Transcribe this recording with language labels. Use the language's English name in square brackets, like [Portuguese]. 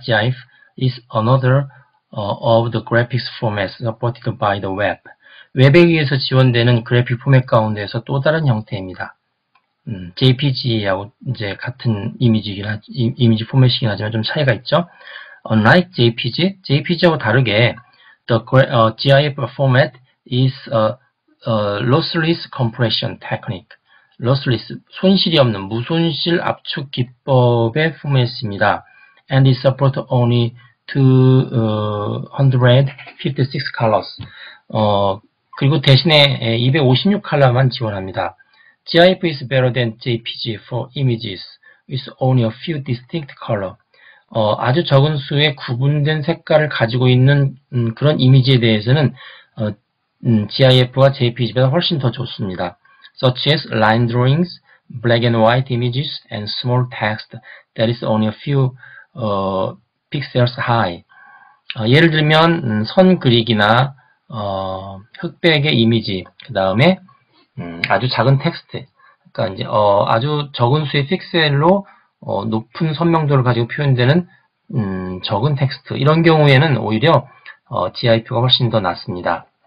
[English] GIF is another of the graphics formats supported by the web. [Korean] 웹에 의해서 지원되는 그래픽 포맷 가운데서 또 다른 형태입니다. JPG하고 이제 같은 이미지 포맷이긴 하지만 좀 차이가 있죠. [English] Unlike JPG, [Korean] JPG하고 다르게 [English] GIF format is a lossless compression technique. [Korean] Lossless, 손실이 없는 무손실 압축 기법의 포맷입니다. [English] And it supports only 256 colors. [Korean] 그리고 대신에 256 컬러만 지원합니다. [English] GIF is better than JPG for images with only a few distinct color. [Korean] 아주 적은 수의 구분된 색깔을 가지고 있는 그런 이미지에 대해서는 GIF와 JPG보다 훨씬 더 좋습니다. [English] Such as line drawings, black and white images, and small text that is only a few pixels high. [Korean] 예를 들면 선 그리기나 흑백의 이미지, 그 다음에 아주 작은 텍스트, 그러니까 이제 아주 적은 수의 픽셀로 높은 선명도를 가지고 표현되는 적은 텍스트 이런 경우에는 오히려 GIF가 훨씬 더 낫습니다.